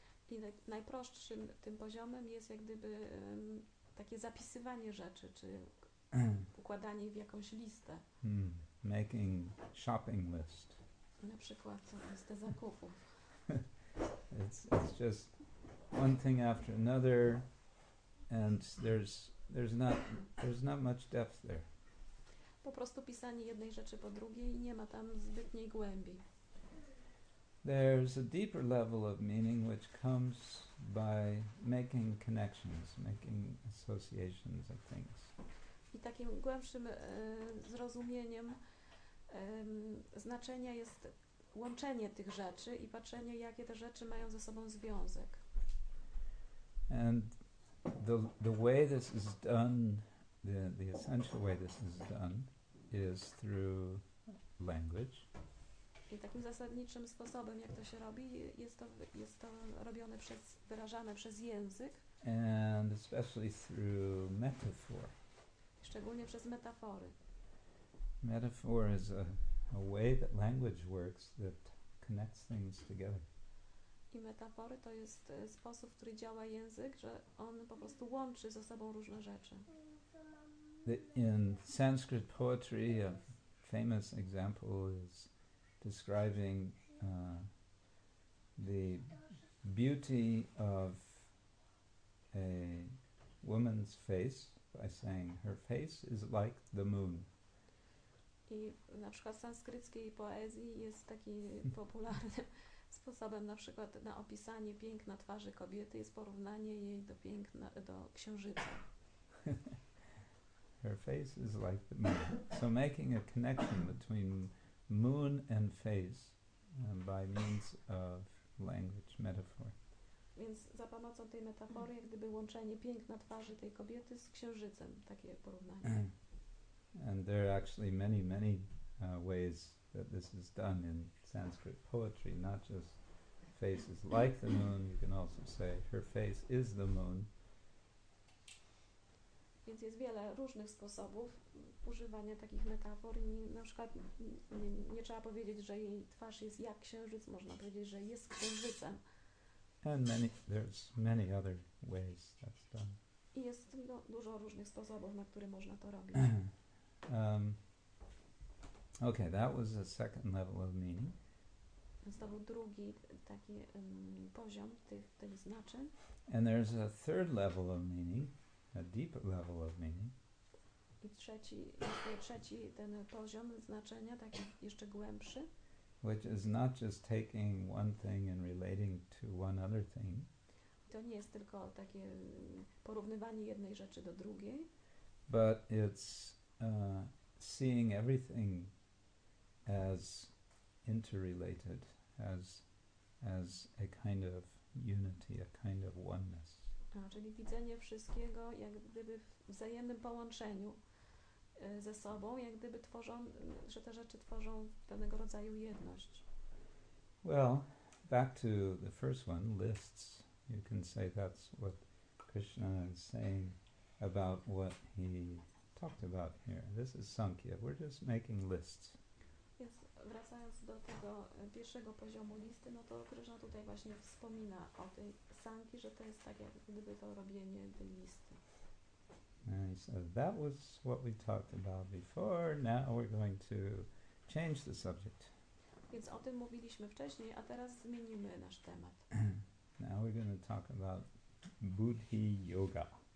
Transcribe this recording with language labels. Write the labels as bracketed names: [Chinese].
[Polish] I najprostszym tym poziomem jest jak gdyby takie zapisywanie rzeczy, czy układanie w jakąś listę. [English] Making shopping list. [Polish] Na przykład listę zakupów. [English] It's just one thing after another, and there's not much depth there. [Polish] Po prostu pisanie jednej rzeczy po drugiej i nie ma tam zbytniej głębi. [English] There's a deeper level of meaning which comes by making connections, making associations of things. [Polish] I takim głębszym zrozumieniem znaczenia jest łączenie tych rzeczy i patrzenie, jakie te rzeczy mają ze sobą związek. [English] And the way this is done, the essential way this is done, is through language. [Polish] I takim zasadniczym sposobem, jak to się robi, jest to robione przez, wyrażane przez język. [English] And especially through metaphor. [Polish] Szczególnie przez metafory. [English] Metaphor is a way that language works that connects things together. [Polish] I metafory to jest sposób, w który działa język, że on po prostu łączy ze sobą różne rzeczy. [English] In Sanskrit poetry, a famous example is describing the beauty of a woman's face by saying her face is like the moon. [Polish] I na przykład w sanskryckiej poezji jest taki popularny sposobem na przykład na opisanie piękna twarzy kobiety jest porównanie jej do piękna do księżyca. [English] Her face is like the moon. So making a connection between moon and face by means of language metaphor. [Polish] Więc za pomocą tej metafory, jak gdyby łączenie piękna twarzy tej kobiety z księżycem, takie porównanie. [English] And there are actually many, many ways that this is done in Sanskrit poetry, not just faces like the moon, you can also say her face is the moon. [Polish] Więc jest wiele różnych sposobów używania takich metafor. Na przykład nie trzeba powiedzieć, że jej twarz jest jak księżyc, można powiedzieć, że jest księżycem. [English] And there's many other ways that's done. [Polish] I jest dużo różnych sposobów, na które można to robić. [English] Okay, that was the second level of meaning. [Polish] Więc to był drugi taki poziom tych znaczeń. [English] And there's a third level of meaning. A deeper level of meaning. [Polish] I trzeci ten poziom znaczenia, taki jeszcze głębszy. [English] Which is not just taking one thing and relating to one other thing. [Polish] To nie jest tylko takie porównywanie jednej rzeczy do drugiej. [English] But it's seeing everything as interrelated, as a kind of unity, a kind of oneness. [Polish] Czyli widzenie wszystkiego jak gdyby w wzajemnym połączeniu ze sobą, jak gdyby tworzą, że te rzeczy tworzą pewnego rodzaju jedność. [English] Well, back to the first one, lists. You can say that's what Krishna is saying about what he talked about here. This is Sankhya. We're just making lists. [Polish] Jest, wracając do tego pierwszego poziomu listy, no to Krishna tutaj właśnie wspomina o tej Sanki, że to jest tak, jak gdyby to robienie tej listy. [English] And he said, that was what we talked about before, now we're going to change the subject. [Polish] Więc o tym mówiliśmy wcześniej, a teraz zmienimy nasz temat. [English] Now we're going to talk about Buddhi Yoga.